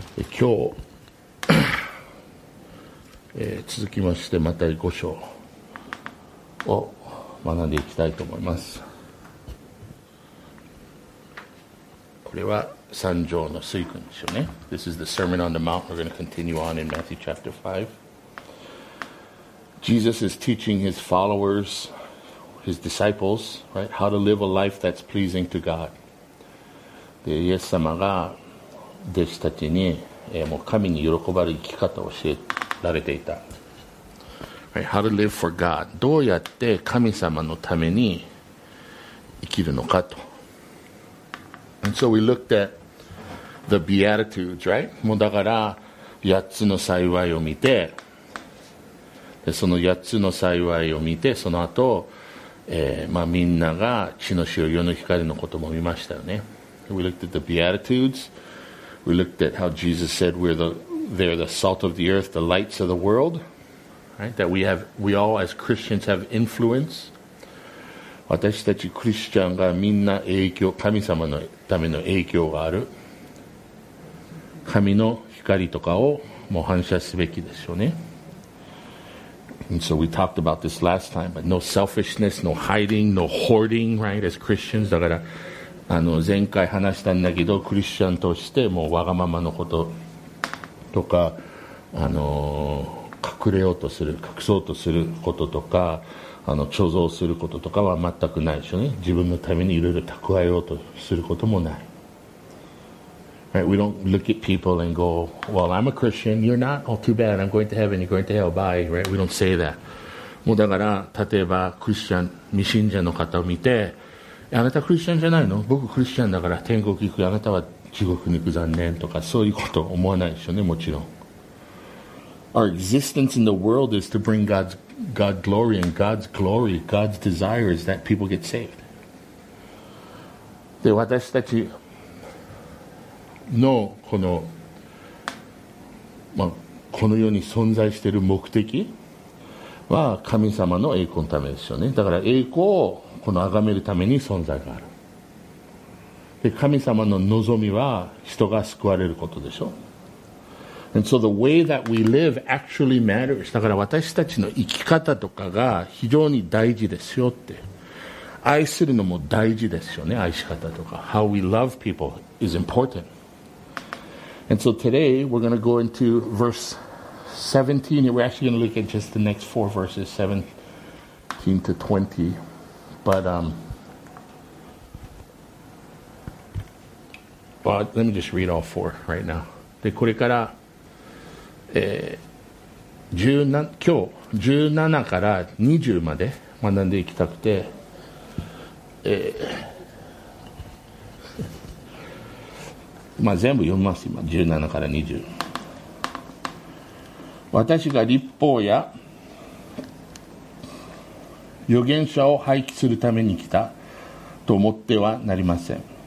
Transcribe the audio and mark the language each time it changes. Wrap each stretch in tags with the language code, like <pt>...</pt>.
<ja>今日、続きましてマタイ5章を学んでいきたいと思います。これは三条の水訓ですよね。</ja> <en>This is the Sermon on the Mount. We're going to continue on in Matthew chapter 5. Jesus is teaching his followers, his disciples, right, how to live a life that's pleasing to God.</en> <ja>で、イエス様が弟子たちに、もう神に喜ばれる生き方を教えられていた。</ja> <en>Right, how to live for God.</en> <ja>どうやって神様のために生きるのかと。</ja> <en>And so we looked at the Beatitudes, right?</en> <ja>もうだから8つの幸いを見て、でその8つの幸いを見て、その後、まあみんなが血の塩、世の光のことも見ましたよね。</ja> <en>We looked at the Beatitudes. We looked at how Jesus said they're the salt of the earth, the lights of the world. Right? That we all as Christians have influence.</en> <ja>私たちクリスチャンがみんな影響、神様のための影響がある。神の光とかをもう反射すべきですよね。</ja> <en>And so we talked about this last time, but no selfishness, no hiding, no hoarding, right, as Christians.</en> <ja>だから、前回話したんだけど、クリスチャンとしてもうわがままのこととか、隠れようとする、隠そうとすることとか、貯蔵することとかは全くないでしょうね。自分のためにいろいろ蓄えようとすることもない。</ja> <en>Right, we don't look at people and go, well, I'm a Christian, you're not, oh, too bad, I'm going to heaven, you're going to hell, bye, right? We don't say that.</en> <ja>もうだから、例えばクリスチャン、未信者の方を見て、あなたクリスチャンじゃないの？僕クリスチャンだから天国行く、あなたは地獄に行く、残念とか、そういうこと思わないでしょうね、もちろん。</ja> <en>Our existence in the world is to bring God's glory, and God's glory, God's desire is that people get saved.</en> <ja>で、私たちのこの、まあ、この世に存在している目的は神様の栄光のためですよね。だから栄光をこの崇めるために存在がある。で、神様の望みは人が救われることでしょ。</ja> <en>And so the way that we live actually matters.</en> <ja>だから私たちの生き方とかが非常に大事ですよって。愛するのも大事ですよね、愛し方とか。</ja> <en>How we love people is important. And so today we're going to go into verse 17. We're actually going to look at just the next four verses, 17 to 20. But let me just read all four right now.</en> <ja>で、これから今日17から20まで学んでいきたくて、まあ全部読みます。今17から20、私が律法や預言者を廃棄するために来たと思ってはなりません。</ja>